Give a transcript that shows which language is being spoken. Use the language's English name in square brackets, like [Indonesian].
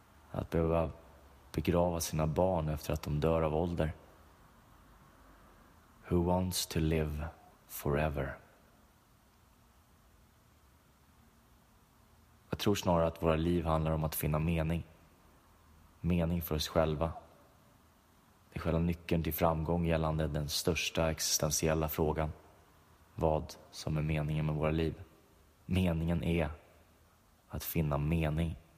[Swedish] Att behöva begrava sina barn efter att de dör av ålder. [English] Who wants to live forever? [Swedish] Jag tror snarare att våra liv handlar om att finna mening. Mening för oss själva. Det är själva nyckeln till framgång gällande den största existentiella frågan. Vad som är meningen med våra liv. Meningen är att finna mening.